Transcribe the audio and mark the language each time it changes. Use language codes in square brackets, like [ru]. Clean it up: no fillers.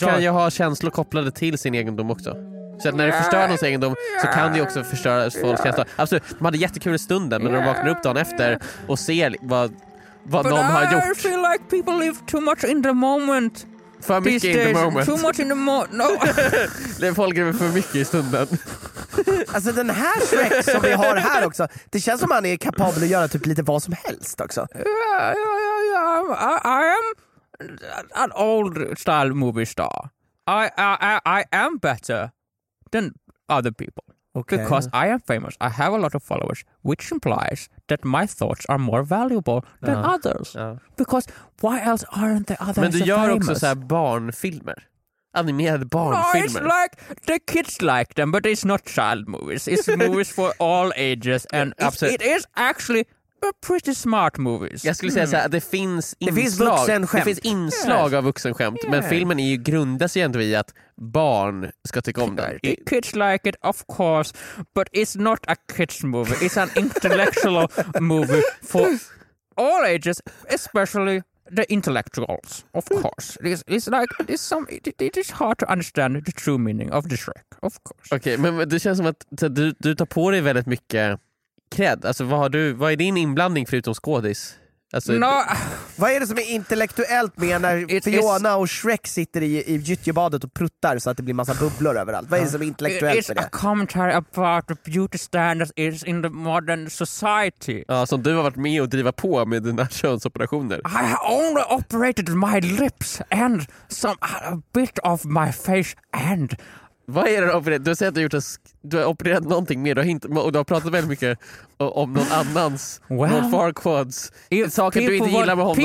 [sv] folk kan ju ha känslor kopplade till sin egendom också. Så när du förstör någons egendom så kan det ju också förstöra folks känsla. Absolut, de hade jättekul stunden, men när de vaknar upp dagen efter och ser vad de har gjort. [en] But I feel like people live too much in the moment. [sv] För mycket [en] in the moment. Too much in the moment. No. [sv] Det är folk som är för mycket i stunden. Alltså den här Shrek som vi har här också, det känns som han är kapabel att göra typ lite vad som helst också. [en] Yeah. I am an old style movie star. I am better than other people. Okay. Because I am famous, I have a lot of followers, which implies that my thoughts are more valuable than others. Yeah. Because why else aren't the others famous? [sv] Men du gör också så här barnfilmer. Animerade barnfilmer. [en] No, it's like the kids like them, but it's not child movies. It's movies for all ages. And it is actually pretty smart movies. [sv] Jag skulle säga så här, det finns inslag av vuxenskämt, men filmen är ju grundas egentligen i att barn ska tycka om den. [en] Kids like it, of course, but it's not a kids movie. It's an intellectual movie for all ages, especially the intellectuals, of course. It is hard to understand the true meaning of the Shrek, of course. [sv] Okej, okay, men det känns som att du tar på dig väldigt mycket cred. Alltså, vad är din inblandning förutom skådis? Alltså, [en] no. [sv] Vad är det som är intellektuellt med när Fiona och Shrek sitter i gyttjebadet och pruttar så att det blir massa bubblor överallt? Vad är det som är intellektuellt med det? [en] It's a commentary about the beauty standards is in the modern society. [sv] Ja, som du har varit med och driva på med dina könsoperationer. [en] I only operated my lips and a bit of my face and... [sv] Vad är det för det? Du har sett att du har opererat någonting mer. Du har pratat väldigt mycket om någon annans, [en] well, [sv] någon Farquads. Saker du inte gillar med honom.